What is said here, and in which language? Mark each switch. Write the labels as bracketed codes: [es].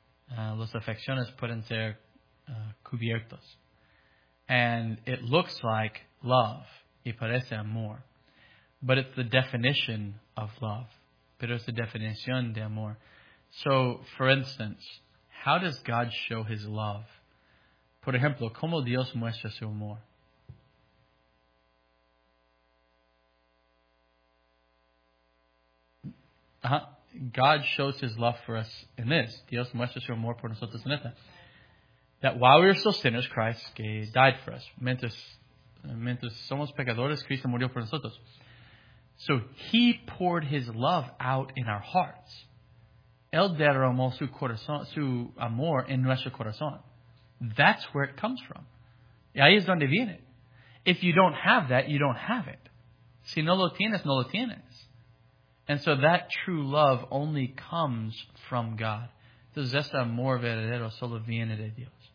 [es] Las afecciones pueden ser cubiertos. [en] And it looks like love, [es] y parece amor. [en] But it's the definition of love. [es] Pero es la definición de amor. [en] So, for instance, how does God show his love? [es] Por ejemplo, ¿cómo Dios muestra su amor? [en] God shows his love for us in this. [es] Dios muestra su amor por nosotros en esta. [en] That while we are still sinners, Christ died for us. [es] Mientras somos pecadores, Cristo murió por nosotros. [en] So he poured his love out in our hearts. [es] Él derramó su corazón, su amor en nuestro corazón. [en] That's where it comes from. [es] Y ahí es donde viene. [en] If you don't have that, you don't have it. [es] Si no lo tienes, no lo tienes. [en] And so that true love only comes from God. [es] Entonces, este amor verdadero solo viene de Dios.